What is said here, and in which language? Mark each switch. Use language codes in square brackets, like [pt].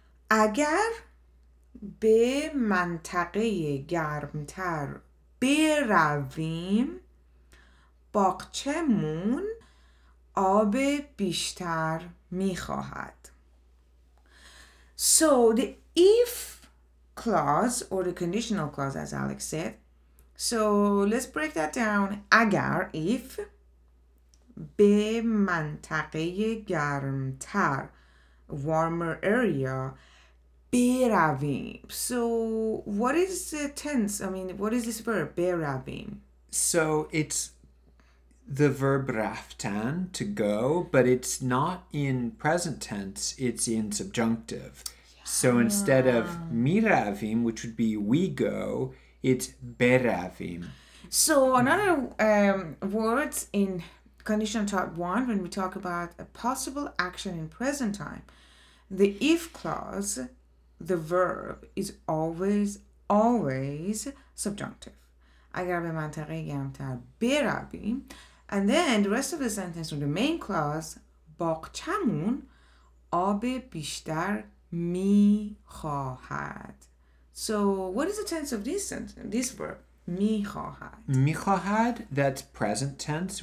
[fa] اگر به منطقه گرمتر برویم باغچه‌مون آب بیشتر می‌خواهد. [en] So the if clause, or the conditional clause, as Alex said. So let's break that down. اگر if [fa] به منطقه گرمتر, [en] warmer area, beravim. So what is the tense? I mean, what is this verb, beravim? So it's the verb raftan, to go, but it's not in present tense, it's in subjunctive. Yeah. So instead of miravim, which would be we go, it's beravim. So another words in conditional type one, when we talk about a possible action in present time, the if clause, the verb, is always, always subjunctive. [fa] اگر به منطقه گرمتر برویم. [en] And then the rest of the sentence with the main clause, [fa] باغچمون آب بیشتر می خواهد. [en] So what is the tense of this sentence, this verb? Mi khohad, that's present tense.